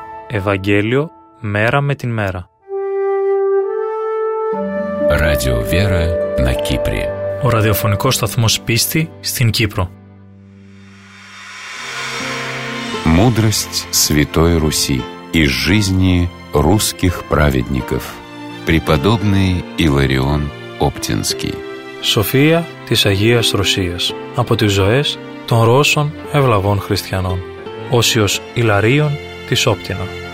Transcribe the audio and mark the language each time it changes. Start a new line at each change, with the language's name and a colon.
Russian: Евангелие мера με την мера. Радио Вера на Кипре.
Greek: Ο ραδιοφωνικός σταθμός πίστη στην Κύπρο.
Russian: Мудрость Святой Руси из жизни русских праведников. Преподобный Иларион Оптинский.
Greek: София της Αγίας Ρωσίας. Από τις ζωές των Ρώσων ευλαβών χριστιανών. Όσιος Ιλαρίων της Όπτινα.